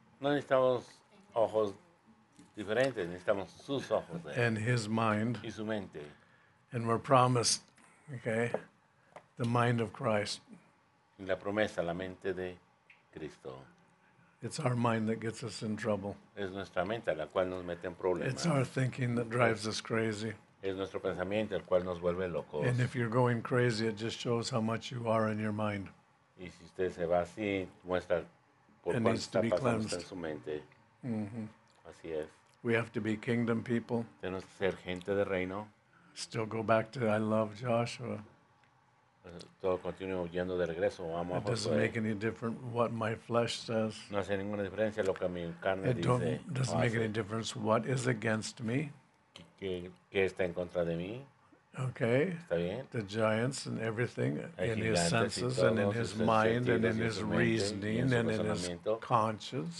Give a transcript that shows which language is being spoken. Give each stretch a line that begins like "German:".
Spanish: No necesitamos ojos diferentes, necesitamos sus ojos.
English: And his mind.
Spanish: Y su mente.
English: And we're promised, okay, the mind of Christ.
Spanish: Y la promesa, la mente de Cristo.
English: It's our mind that gets us in trouble.
Spanish: Es nuestra mente a la cual nos mete en problemas.
English: It's our thinking that drives us crazy.
Spanish: Es nuestro pensamiento el cual nos vuelve locos.
English: And if you're going crazy, it just shows how much you are in your mind.
Spanish: Y si usted se va así, muestra por cuánto está pasando en su mente. Mm-hmm. Así es.
English: We have to be kingdom people.
Spanish: Tenemos que ser gente de reino.
English: Still go back to I love Joshua.
Spanish: Todo continúa huyendo de regreso. Amo a Josué.
English: It doesn't make any difference what my flesh says.
Spanish: No hace ninguna diferencia lo que mi carne dice.
English: It doesn't make any difference what is against me.
Spanish: que está en contra de mí. Okay. ¿Está bien?
English: The giants and everything in his senses and in his mind and in his reasoning and in his conscience.